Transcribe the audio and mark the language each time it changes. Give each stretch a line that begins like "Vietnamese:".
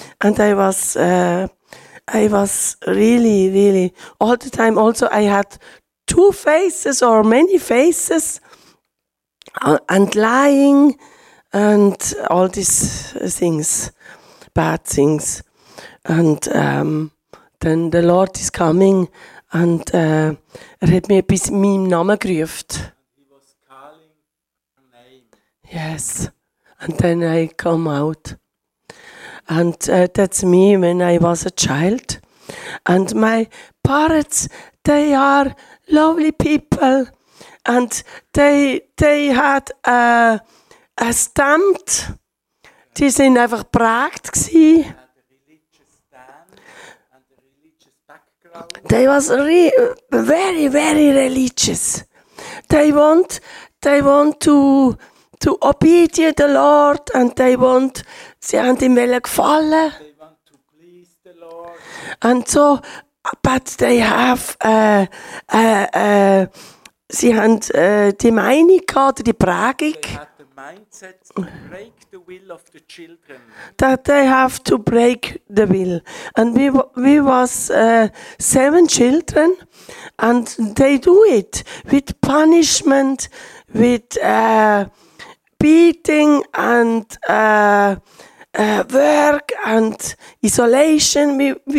English: And I was really, really, all the time also I had two faces or many faces, and lying, and all these things, bad things. And then the Lord is coming, and
German: er hat mir bis meinem Namen gerufen.
English: He was calling her name. Yes, and then I come out. And that's me when I was a child. And my parents, they are lovely people, and they had a stamp.
Swiss German: Die sind einfach geprägt gsi.
English: They was very, very religious. They want to obey the Lord, and
German: sie haben ihm gefallen.
English: They want to please the Lord. And so, but they have
German: sie haben die Meinung gehabt, die Prägung.
English: Break the will of the children. That they have to break the will. And we was seven children, and they do it with punishment, with beating and work and isolation.